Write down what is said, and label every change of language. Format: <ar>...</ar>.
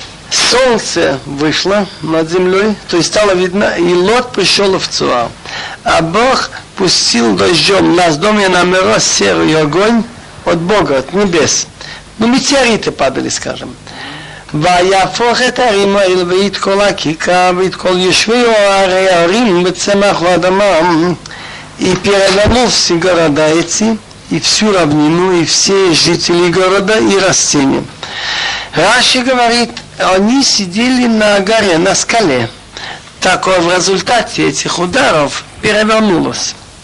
<ru>Солнце вышло над землей, то есть стало видно, и Лот пришел в Цуа. А Бог пустил дождем на здоме на Меро серый огонь от Бога, от небес. Ну, метеориты падали, скажем.</ru> <he>ויהפוך את הערים האלה ואת כל הכיכר ואת כל יושבי הערים בצמח ואדמם.</he> <ru>И перевернул все города эти, и всю равнину, и все жители города, и растения. Раши говорит, они сидели на горе, на скале. Так в результате этих ударов перевернулось.</ru>